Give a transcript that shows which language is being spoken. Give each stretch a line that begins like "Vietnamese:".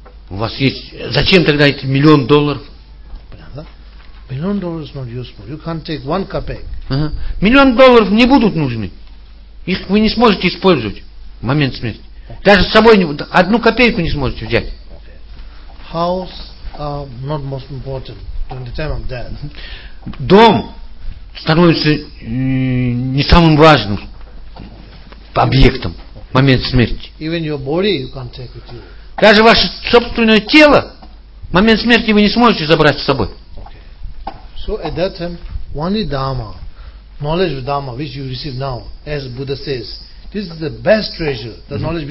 Russian: У вас есть, зачем тогда эти $1 million?
English: $1 million is not useful. You can't take one copeck.
Russian: $1 million не будут нужны. Их вы не сможете использовать в момент смерти. Даже с собой одну копейку не сможете взять.
English: House are not most important during the time of death.
Russian: Дом становится не самым важным объектом в момент смерти.
English: Even your body you can't take with you.
Russian: Даже ваше собственное тело в момент смерти вы не сможете забрать с собой.
English: So at that time, only Dharma, knowledge of Dharma, which you receive now, as Buddha says, this is the best treasure, the mm-hmm.